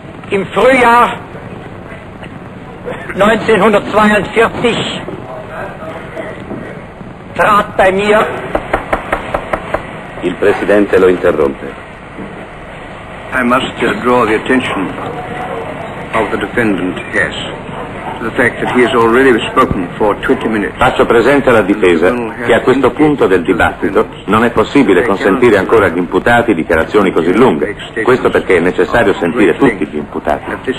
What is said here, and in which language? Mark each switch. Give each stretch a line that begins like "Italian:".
German: Im Frühjahr 1942 trat bei mir.
Italian: Il presidente lo interrompe.
English: I must draw the attention of the defendant, yes, to the fact that he has already spoken for 20 minutes.
Italian: Faccio presente alla difesa che a questo punto del dibattito non è possibile consentire ancora agli imputati dichiarazioni così lunghe. Questo perché è necessario sentire tutti gli imputati.